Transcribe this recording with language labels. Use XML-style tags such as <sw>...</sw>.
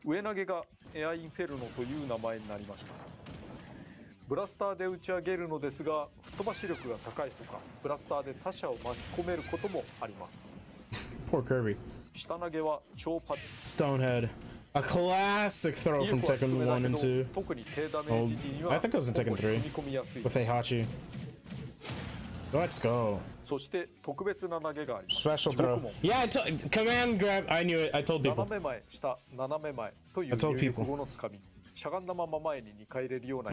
<ja>上投げがエアインフェルノという名前になりました。ブラスターで打ち上げるのですが、吹っ飛ばし力が高いとか、ブラスターで他者を巻き込めることもあります。</ja> <en>Poor Kirby.</en> <ja>下投げは超パチ。</ja> <en>Stonehead. A classic throw from Tekken 1 and 2.</en> <ja>特に低ダメージ時には、</ja> <en>I think it was in Tekken 3.</en> <ja>踏み込みやすいです。</ja> <en>With Heihachi. Let's go.</en> <ja>そして特別な投げがあります</ja> <en>。 Special throw. Yeah, command grab. I knew it. I told people.</en> <ja>斜め前、下、斜め前という流行語のつかみ。しゃがんだまま前に2回入れるような。</ja>